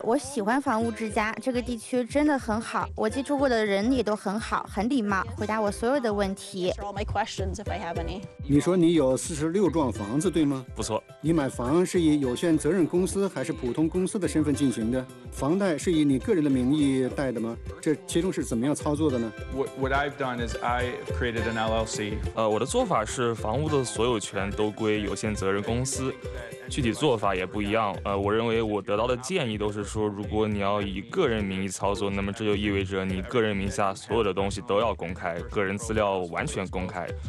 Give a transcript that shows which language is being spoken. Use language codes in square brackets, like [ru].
[zh] 我喜欢房屋之家，这个地区真的很好，我接触过的人也都很好，很礼貌，回答我所有的问题。你说你有46幢房子对吗？不错。你买房是以有限责任公司还是普通公司的身份进行的？房贷是以你个人的名义贷的吗？这其中是怎么样操作的呢？ [en] What I've done is I've created an LLC. [zh] 我的做法是房屋的所有权都归有限责任公司，具体做法也不一样。我认为我得到的建议都是说，如果你要以个人名义操作，那么这就意味着你个人名下所有的东西都要公开，个人资料完全公开。